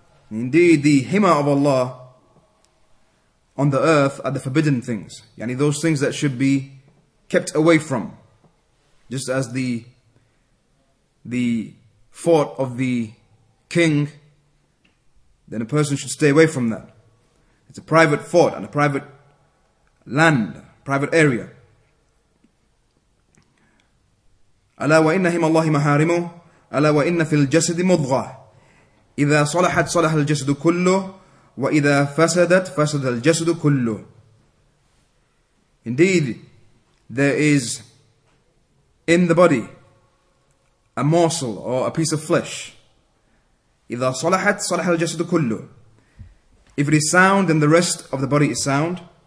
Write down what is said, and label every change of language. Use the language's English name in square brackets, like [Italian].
[English] Indeed, the حما of Allah on the earth are the forbidden things, yani those things that should be kept away from, just as the fort of the king, then a person should stay away from that. It's a private fort and a private land, private area. [Arabic] ألا وإن هم الله محارمه ألا وإن في الجسد مضغة إذا صلحت صلح الجسد كله وَإِذَا فَسَدَتْ فَسَدَ الْجَسْدُ كُلُّهُ. [English] Indeed, there is in the body a morsel or a piece of flesh. [Arabic] إِذَا صَلَحَتْ صَلَحَ الْجَسْدُ كُلُّهُ. [English] If it is sound, then the rest of the body is sound.